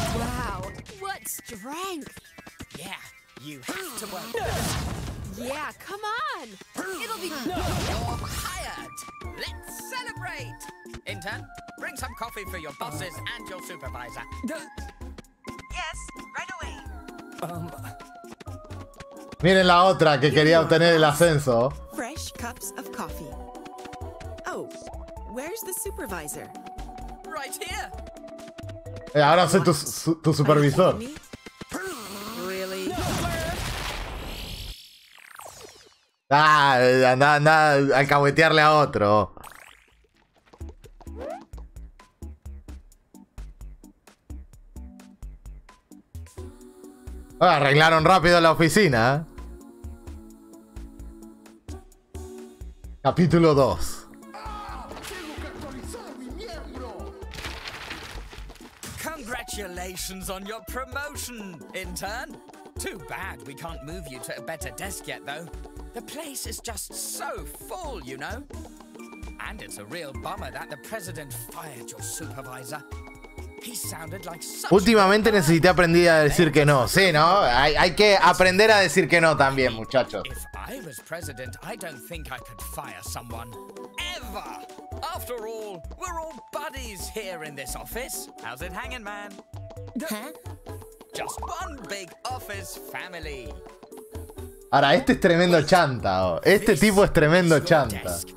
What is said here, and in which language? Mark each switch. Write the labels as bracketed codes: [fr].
[en] Wow. What strength. Yeah, you have to work. No. Yeah, come on. It'll be. No. You're hired. Let's celebrate. Intern, bring some coffee for your bosses and your supervisor. Yes, right away. [es] Miren la otra que quería obtener el ascenso. [en] Fresh cups of coffee. Oh, where's the supervisor? Right here. [es] Ahora soy tu supervisor. [en] Really? [es] Anda alcahuetearle a otro. Arreglaron rápido la oficina. Capítulo 2. Tengo que actualizar mi miembro. [en] Congratulations on your promotion, intern. Too bad we can't move you to a better desk yet, though. The place is just so full, you know. And it's a real bummer that the president fired your supervisor. He sounded like such... [es] Últimamente necesité aprender a decir que no. Sí, ¿no? Hay que aprender a decir que no también, muchachos. [en] If I was president, I don't think I could fire someone. Ever! After all, we're all buddies here in this office. How's it hanging, man? Huh? Just one big office family. [es] Ahora, este es tremendo chanta. Este tipo es tremendo chanta.